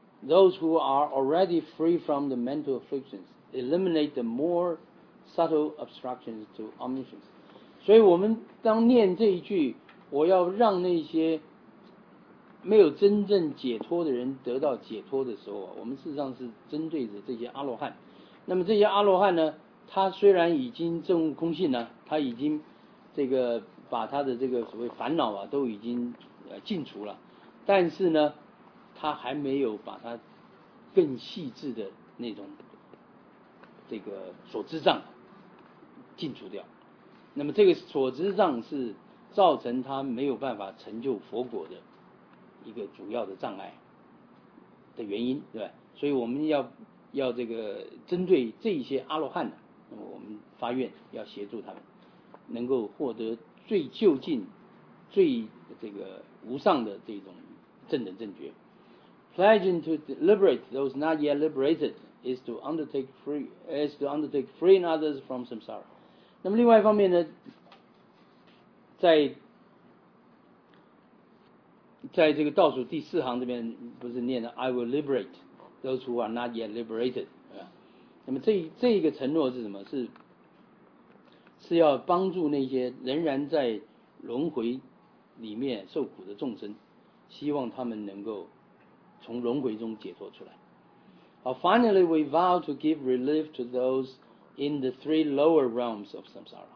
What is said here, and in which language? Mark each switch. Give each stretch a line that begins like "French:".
English: Those who are already free from the mental afflictions eliminate the more subtle obstructions to omniscience。
Chinese: 所以我们当念这一句我要让那些没有真正解脱的人得到解脱的时候，我们事实上是针对着这些阿罗汉。那么这些阿罗汉呢，他虽然已经证悟空性呢，他已经这个把他的这个所谓烦恼啊都已经尽除了，但是呢他还没有把他更细致的那种这个所知障尽除掉。那么这个所知障是造成他没有办法成就佛果的一个主要的障碍的原因，对吧？所以我们要这个针对这些阿罗汉，那么我们发愿要协助他们能够获得最就近最这个无上的这种正等正觉。
English: Pledging to liberate those not yet liberated is to undertake freeing others from samsara。
Chinese: 那么另外一方面呢，在这个倒数第四行这边不是念的
English: I will liberate those who are not yet liberated，
Chinese: 那么这一个承诺是什么？是要帮助那些仍然在轮回里面受苦的众生，希望他们能够从轮回中解脱出来。
English: 好 ，Finally, we vow to give relief to those in the three lower realms of samsara。